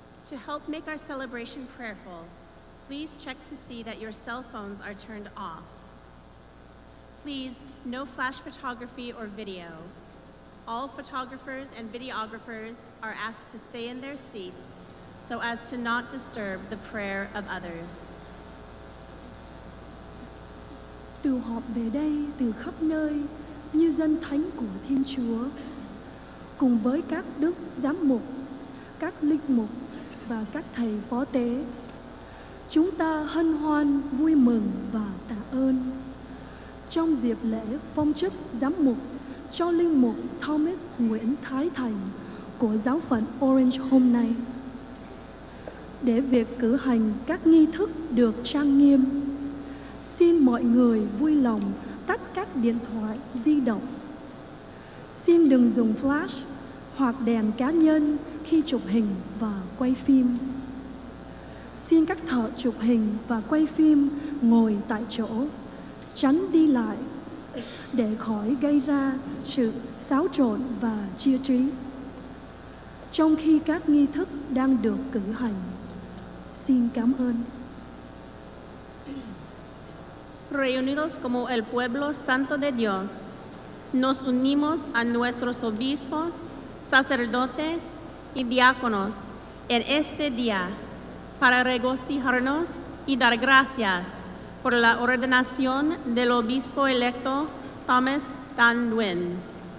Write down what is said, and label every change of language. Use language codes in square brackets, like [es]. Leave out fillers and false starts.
[en] To help make our celebration prayerful, please check to see that your cell phones are turned off. Please, no flash photography or video. All photographers and videographers are asked to stay in their seats so as to not disturb the prayer of others. [vi] Từ họp về đây từ khắp nơi như dân thánh của Thiên Chúa, cùng với các đức giám mục, các linh mục và các thầy phó tế, chúng ta hân hoan vui mừng và tạ ơn trong dịp lễ phong chức giám mục cho linh mục Thomas Nguyễn Thái Thành của giáo phận Orange hôm nay. Để việc cử hành các nghi thức được trang nghiêm, xin mọi người vui lòng tắt các điện thoại di động. Xin đừng dùng flash hoặc đèn cá nhân khi chụp hình và quay phim. Xin các thợ chụp hình và quay phim ngồi tại chỗ, tránh đi lại để khỏi gây ra sự xáo trộn và chia trí. Trong khi các nghi thức đang được cử hành, xin cảm ơn. [es] Reunidos como el pueblo santo de Dios, nos unimos a nuestros obispos, sacerdotes y diáconos en este día para regocijarnos y dar gracias por la ordenación del obispo electo Thomas Dan Nguyen.